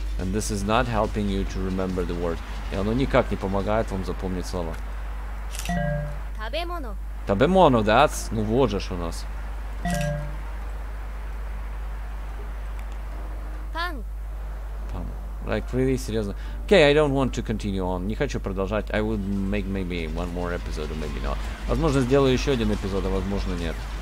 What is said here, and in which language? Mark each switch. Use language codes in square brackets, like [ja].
[en] And this is not helping you to remember the word. [ru] И оно никак не помогает вам запомнить слова. [ja] Табемоно. [ru] Табемоно, that's... Ну вот же ж у нас. [ja] Пан. [en] Пан. Like, really, серьезно. Okay, I don't want to continue on. [ru] Не хочу продолжать. [en] I would make maybe one more episode, or maybe not. [ru] Возможно, сделаю еще один эпизод, а возможно, нет.